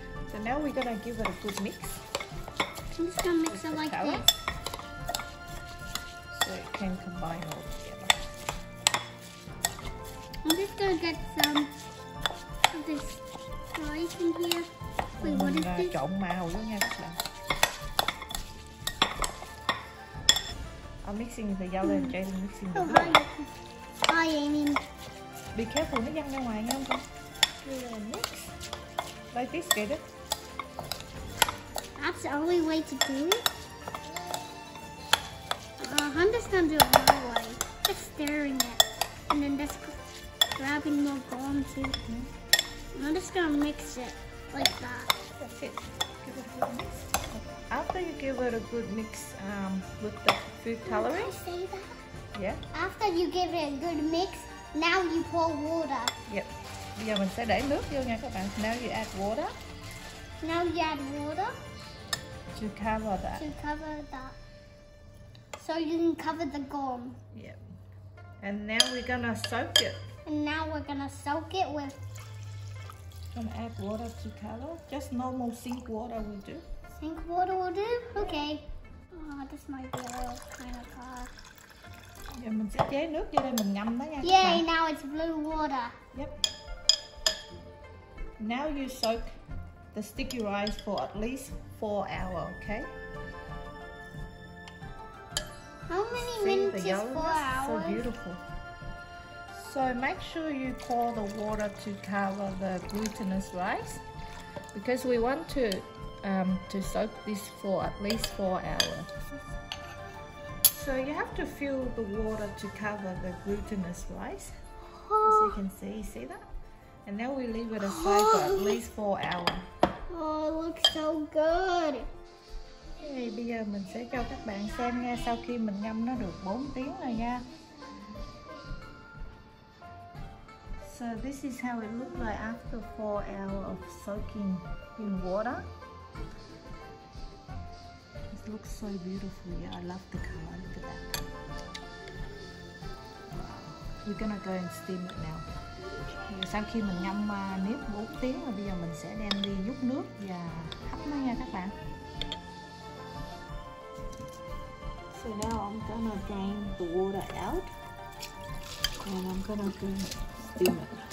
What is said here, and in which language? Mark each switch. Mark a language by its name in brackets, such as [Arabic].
[English] So now we're gonna give it a good mix. I'm just gonna mix it like this. So it can combine all together. I'm just gonna get some of this rice in here. [Vietnamese] Mình trộn màu luôn nha các bạn. [English] I'm mixing the yellow and Jayden mixing the blue. Hi, Amy. Be careful, [Vietnamese] nó văng ra ngoài nha con. [English] Like this, get it? That's the only way to do it. I'm just gonna do it my way. Just stirring it. And then just grabbing more gum too. I'm just gonna mix it like that. That's it. Give it a good mix. After you give it a good mix with the food coloring. Can I say that? Yeah. After you give it a good mix, now you pour water. Yep. [Vietnamese] Bây giờ mình sẽ để nước vô nha các bạn. [English] Now you add water. Now you add water. To cover that. To cover that. So you can cover the gum. Yep. And now we're gonna soak it. And now we're gonna soak it with. Gonna add water to color. Just normal sink water will do. Sink water will do? Okay. Oh, this might be a little kind of hard. [Vietnamese] Yeah, mình sẽ chế nước vô đây mình ngâm đó nha. [English] Yay, now it's blue water. Yep. Now you soak the sticky rice for at least 4 hours, okay? How many minutes is 4 hours? So beautiful. So make sure you pour the water to cover the glutinous rice because we want to soak this for at least 4 hours. So you have to fill the water to cover the glutinous rice. As you can see that? And then we leave it aside for at least 4 hours. Oh, it looks so good. [Vietnamese] Okay, bây giờ mình sẽ cho các bạn xem nha, sau khi mình ngâm nó được 4 tiếng rồi nha. [English] So this is how it looks like after 4 hours of soaking in water. It looks so beautiful. Yeah, I love the color. Look at that. We're gonna go and steam it now. Okay. [Vietnamese] Sau khi mình ngâm nếp 4 tiếng rồi, bây giờ mình sẽ đem đi nhúc nước và hấp nó nha các bạn. [English] So now I'm gonna drain the water out and I'm gonna go steam it.